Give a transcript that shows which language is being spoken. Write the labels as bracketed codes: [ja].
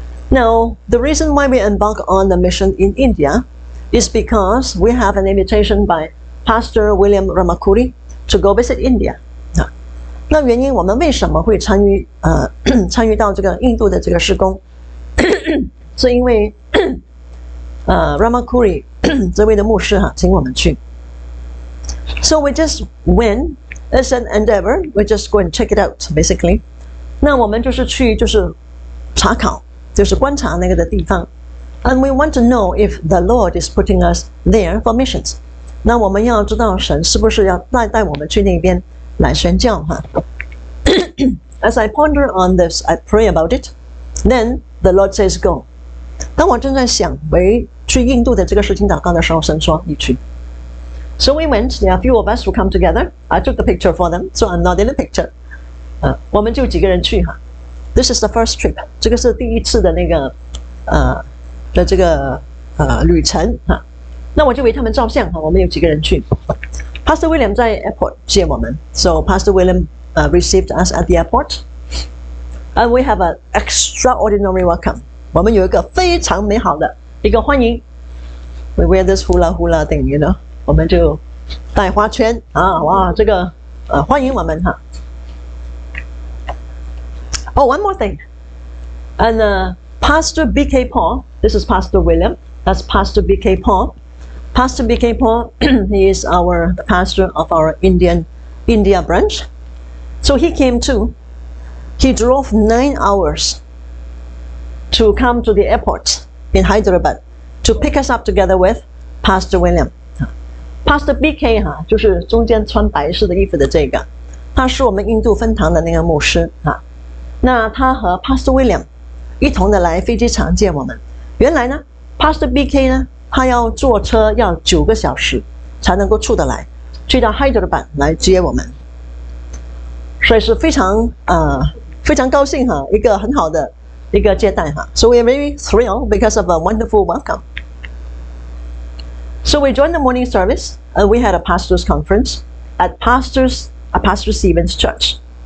[en] Now, the reason why we embark on the mission in India is because we have an invitation by Pastor William Ramakuri to go visit India. [zh] 那原因我们为什么会参与到这个印度的这个事工，是因为Ramakuri 这位的牧师请我们去。 [en] So we just went as an endeavor. We just go and check it out, basically. [zh] 那我们就是去就是查考，就是观察那个的地方。 [en] And we want to know if the Lord is putting us there for missions. [zh] 那我们要知道神是不是要带我们去那边来宣教哈。 [en] As I ponder on this, I pray about it. Then the Lord says, "Go." [zh] 当我正在想为去印度的这个事情祷告的时候，神说，你去。 [en] So we went, there are a few of us who come together. I took the picture for them, so I'm not in the picture. [zh] 我们就几个人去哈。 [en] This is the first trip. [zh] 这个是第一次的那个的这个旅程哈。那我就为他们照相哈，我们有几个人去。 Pastor William 在 airport 接我们。 [en] So Pastor William received us at the airport. And we have an extraordinary welcome. [zh] 我们有一个非常美好的一个欢迎。 [en] We wear this hula hula thing, you know. [zh] 我们就带花圈啊，哇，这个欢迎我们哈。 [en] Oh, one more thing. And Pastor B.K. Paul, this is Pastor William, that's Pastor B.K. Paul. Pastor B.K. Paul, he is our pastor of our India branch. So he came too. He drove 9 hours to come to the airport in Hyderabad to pick us up together with Pastor William. Pastor B.K. [zh] 就是中间穿白色的衣服的这个，他是我们印度分堂的那个牧师啊。那他和 Pastor William 一同的来飞机场见我们。原来呢 ，Pastor B.K. 呢，他要坐车要9个小时才能够出得来，去到 Hyderabad 来接我们。所以是非常高兴哈，一个很好的一个接待哈。 [en] So we are very thrilled because of a wonderful welcome. So we joined the morning service, and we had a pastor's conference at Pastor Stephen's church.